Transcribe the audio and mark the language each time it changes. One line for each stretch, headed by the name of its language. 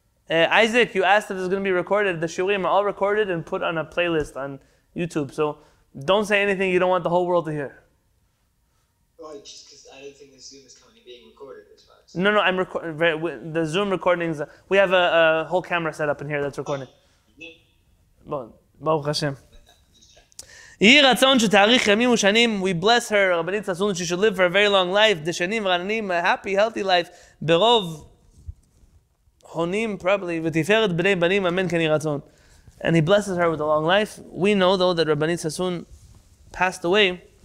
English: Isaac, you asked if this is going to be recorded. The shiurim are all recorded and put on a playlist on YouTube. So don't say anything you don't want the whole world to hear. Well, just because I don't think the Zoom is currently being recorded as far as. No, I'm recording. The Zoom recordings, we have a whole camera set up in here that's recording. Baruch Hashem.
Hebrew: יהי רצון שתאריך ימים ושנים.
English: We bless her, רבנית ססון, she should live for a very long life.
Hebrew: דשנים רננים,
English: a happy, healthy life.
Hebrew: ברוב.
English: Honim probably
Hebrew: v'tiferet bnei banim amen kani ratzon,
English: and he blesses her with a long life. We know though that Rabbanit Sassoon passed away.